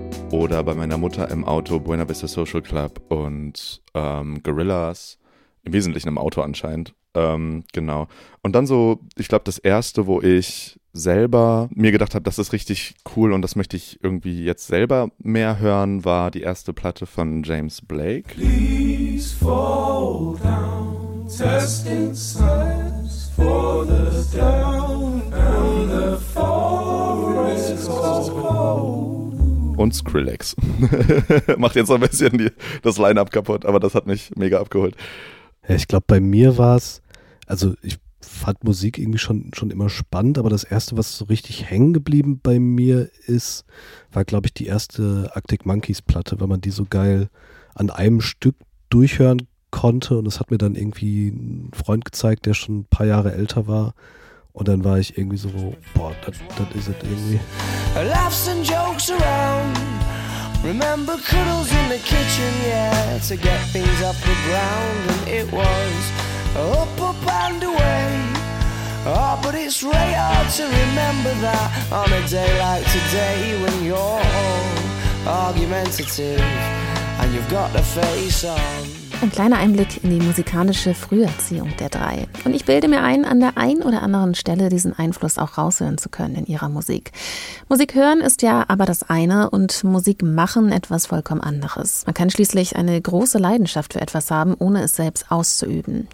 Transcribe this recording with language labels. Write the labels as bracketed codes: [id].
[de] Oder bei meiner Mutter im Auto Buena Vista Social Club und Gorillaz, im Wesentlichen im Auto anscheinend, genau. Und dann so, ich glaube, das Erste, wo ich selber mir gedacht habe, das ist richtig cool und das möchte ich irgendwie jetzt selber mehr hören, war die erste Platte von James Blake. [en] Please fall down, testing signs for the down and the forest calls cold. [de] Und Skrillex. Macht jetzt ein bisschen das Line-Up kaputt, aber das hat mich mega abgeholt. Ja, ich glaube, bei mir war es, also ich fand Musik irgendwie schon immer spannend, aber das erste, was so richtig hängen geblieben bei mir ist, war, glaube ich, die erste Arctic Monkeys Platte, weil man die so geil an einem Stück durchhören konnte. Und das hat mir dann irgendwie ein Freund gezeigt, der schon ein paar Jahre älter war. Und dann war ich irgendwie so, boah, das ist es irgendwie. [en] Laughs and jokes around. Remember cuddles in the kitchen, yeah, to get things off the ground. And it was up, up and away. Oh, but it's really hard to remember that on a day like today, when you're all argumentative and you've got a face on. [de] Ein kleiner Einblick in die musikalische Früherziehung der drei. Und ich bilde mir ein, an der einen oder anderen Stelle diesen Einfluss auch raushören zu können in ihrer Musik. Musik hören ist ja aber das eine und Musik machen etwas vollkommen anderes. Man kann schließlich eine große Leidenschaft für etwas haben, ohne es selbst auszuüben.